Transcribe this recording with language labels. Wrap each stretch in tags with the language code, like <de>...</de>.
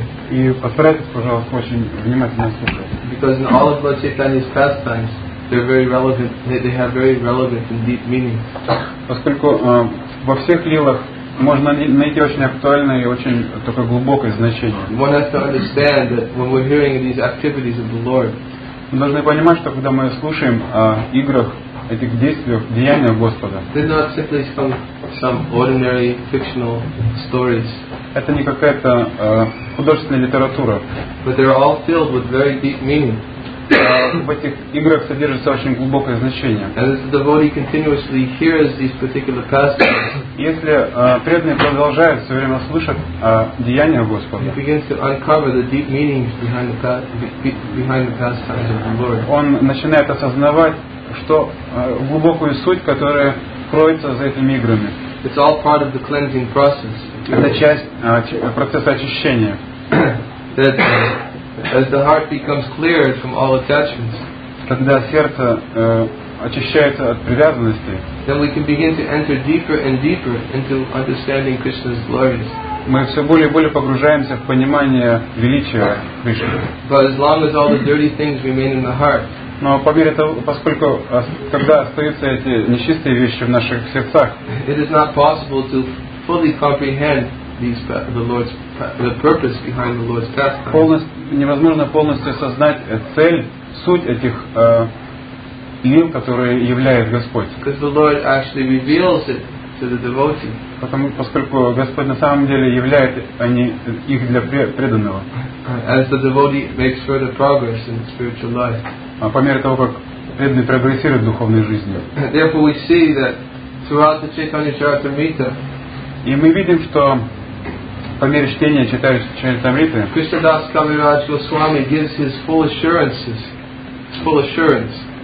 <ru>И постарайтесь, пожалуйста, очень внимательно слушать.</ru> <en>Because in all of Lord Chaitanya's pastimes, they're very relevant. They have very relevant and deep meaning.</en> <ru>Поскольку во всех лилах можно найти очень актуальное и очень такое глубокое значение.</ru> <en>One has to understand that when we're hearing these activities of the Lord,</en> <ru>мы должны понимать, что когда мы слушаем о играх, этих действий, деяния Господа.</ru> <en>They're not simply some ordinary fictional stories.</en> <ru>Это не какая-то художественная литература.</ru> <en>But they're all filled with very deep meaning.</en> <ru>В этих играх содержится очень глубокое значение.</ru> <en>And as the devotee continuously hears these particular pastimes,</en> <ru>если преданный продолжает все время слышать о деяниях Господа,</ru> <en>he begins to uncover the deep meanings behind the pastimes of the Lord.</en> <ru>Он начинает осознавать, что глубокую суть, которая кроется за этими играми.</ru> <en>It's all part of the cleansing process.</en> <ru>Это часть процесса очищения.</ru> <en>That, as the heart becomes clear from all attachments,</en> <ru>когда сердце очищается от привязанности,</ru> <en>then we can begin to enter deeper and deeper into understanding Krishna's glories.</en> <ru>Мы все более и более погружаемся в понимание величия Кришны.</ru> <en>But as long as all the dirty things remain in the heart,</en> <ru>но по мере того, поскольку когда остаются эти нечистые вещи в наших сердцах,</ru> <en>it is not possible to fully comprehend the purpose behind the Lord's pastime.</en> <ru>Невозможно полностью осознать цель, суть этих лил, которые являет Господь.</ru> <en>Because the Lord actually reveals it to the devotee.</en> <ru>Поскольку Господь на самом деле являет они их для преданного.</ru> <en>As the devotee makes further progress in spiritual life.</en> <ru>По мере того, как преданный прогрессирует в духовной жизни.</ru> <en>Therefore we see that throughout the Chaitanya Charitamrita,</en> <ru>и мы видим, что по мере чтения читающего Чайтамриты,</ru> <en>Krishna Das Kaviraj Goswami gives his full assurances, his full assurance.</en>